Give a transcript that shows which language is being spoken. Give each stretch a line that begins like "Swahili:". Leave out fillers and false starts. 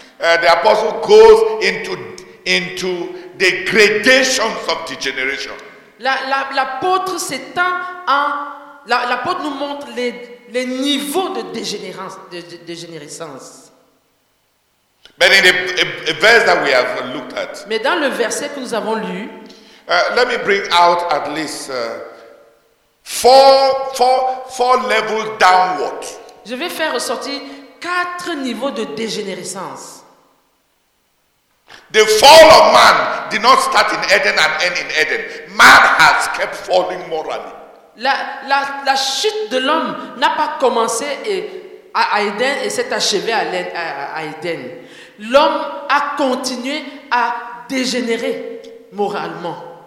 English: The apostle goes into the gradations of degeneration.
French: L'apôtre s'étend en. L'apôtre nous montre les niveaux de dégénérescence.
English: But in the verse that we have looked at.
French: Mais dans le verset que nous avons lu.
English: Let me bring out at least four levels downward.
French: Je vais faire ressortir quatre niveaux de dégénérescence.
English: The fall of man did not start in Eden and end in Eden. Man has kept falling morally.
French: La chute de l'homme n'a pas commencé à Eden et s'est achevée à Eden. L'homme a continué à dégénérer moralement.